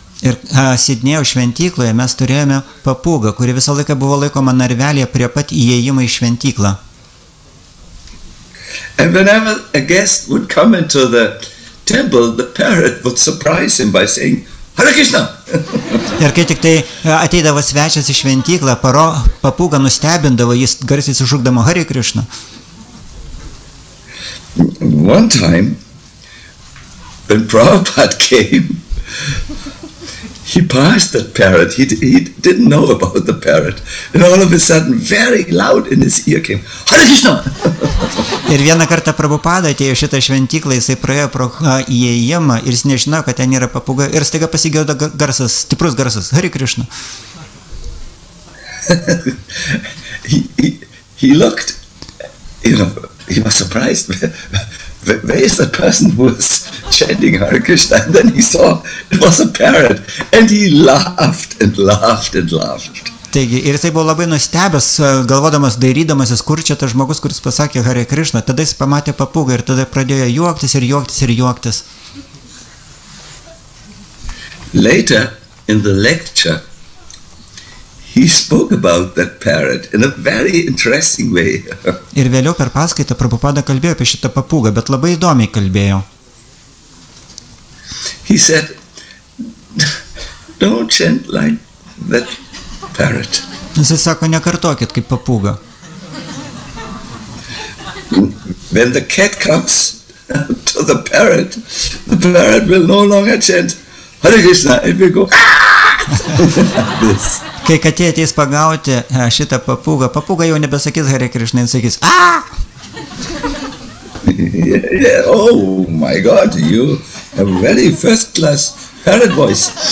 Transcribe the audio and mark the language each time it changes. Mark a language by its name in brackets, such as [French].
[Lithuanian] Ir Sidnėjo šventykloje mes turėjome papūgą, kuri visą laiką buvo laikoma narvelėje prie pat įėjimo į šventyklą. [English] And whenever a guest would come into the temple, the parrot would surprise him by saying, Hare Krishna! [Lithuanian] Ir kai tik tai ateidavo svečias į šventyklą, papūga nustebindavo, jis garsiai sušukdama Hare Krishna. [English] One time, when Prabhupada came, he passed that parrot, he didn't know about the parrot, and all of a sudden, very loud in his ear came, Hare Krishna! [Lithuanian] Ir vieną kartą Prabhupada atėjo šitą šventyklą, jisai praėjo pro įėjimą, ir jis nežino, kad ten yra papuga, ir staiga pasigirdo garsas, stiprus garsas, Hare Krishna! [English] he looked, you know, he was surprised. Where is the person who was chanting Hare Krishna? And then he saw it was a parrot. And he laughed and laughed and laughed. [Lithuanian] Taigi, ir jisai buvo labai nustebęs, galvodamas, dairydamasis, kur čia tas žmogus, kuris pasakė Hare Krishna. Tada jis pamatė papūgą ir tada pradėjo juoktis ir juoktis ir juoktis. [English] Later, in the lecture, he spoke about that parrot in a very interesting way. [Lithuanian] Ir vėliau per paskaitą Prabhupada kalbėjo apie šitą papūgą, bet labai įdomiai kalbėjo. [English] He said, don't chant like that parrot. [Lithuanian] Jisai sako, nekartokit kaip papūga. [English] When the cat comes to the parrot will no longer chant Hare Krishna, if you go, this. [Lithuanian] Kai katė ateis pagauti šitą papūgą, papūga jau nebesakys Hare Krishna, jis sakys, aaa! [English] Yeah, yeah. Oh my God, you have very first class parrot voice.